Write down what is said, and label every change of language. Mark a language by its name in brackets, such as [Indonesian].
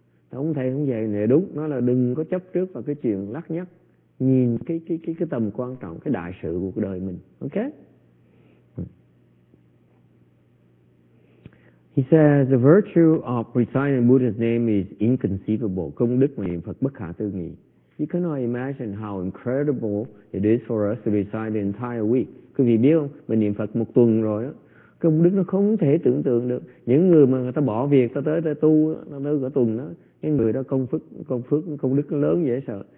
[Vietnamese] Ông thầy cũng vậy, này đúng, nó là đừng có chấp trước vào cái chuyện lắc nhắc, nhìn cái tầm quan trọng, cái đại sự của đời mình. Ok? [English] He says, the virtue of reciting Buddha's name is inconceivable. [Vietnamese] Công đức mà niệm Phật bất khả tư nghị. [English] You cannot imagine how incredible it is for us to recite the entire week. [Vietnamese] Quý vị biết không? Mình niệm Phật một tuần rồi đó. Công đức nó không thể tưởng tượng được. Những người mà người ta bỏ việc, ta tới, ta tu, nó tới cả tuần đó. Cái người đó công phước, công đức nó lớn dễ sợ.